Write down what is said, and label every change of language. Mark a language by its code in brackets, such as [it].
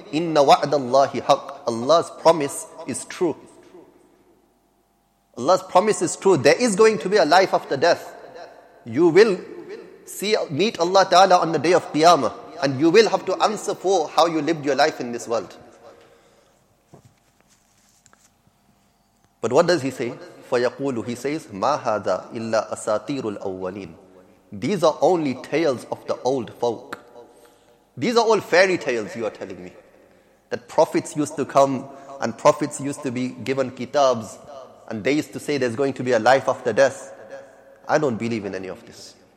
[ar] إِنَّ وَعْدَ اللَّهِ حَقٍ. [en] Allah's promise is true. Allah's promise is true. There is going to be a life after death. You will see, meet Allah Ta'ala on the day of Qiyamah. And you will have to answer for how you lived your life in this world. But what does he say? [ar] فَيَقُولُ, [en] he says, [ar] مَا هَذَا إِلَّا أَسَاطِيرُ الْأَوَّلِينَ. [en] These are only tales of the old folk. These are all fairy tales you are telling me. That prophets used to come and prophets used to be given kitabs. And they used to say there's going to be a life after death. I don't believe in any of this.